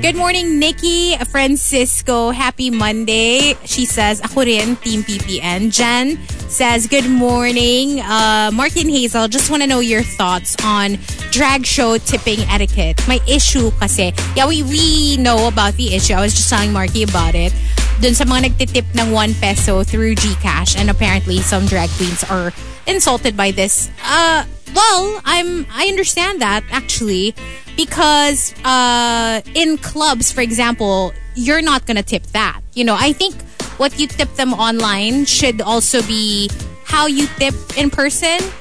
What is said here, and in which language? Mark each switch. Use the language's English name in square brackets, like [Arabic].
[English] Good morning, Nikki Francisco. Happy Monday. She says, [Filipino] ako rin, [English] Team PPN. Jen says, good morning. Markki and Hazel, just want to know your thoughts on drag show tipping etiquette. My issue kasi. Yeah, we know about the issue. I was just telling Markki about it. [Filipino] Dun sa mga nagtitip ng 1 peso through GCash. [English] And apparently, some drag queens are insulted by this. Well, I understand that, actually. Because in clubs, for example, you're not going to tip that. You know, I think what you tip them online should also be how you tip in person.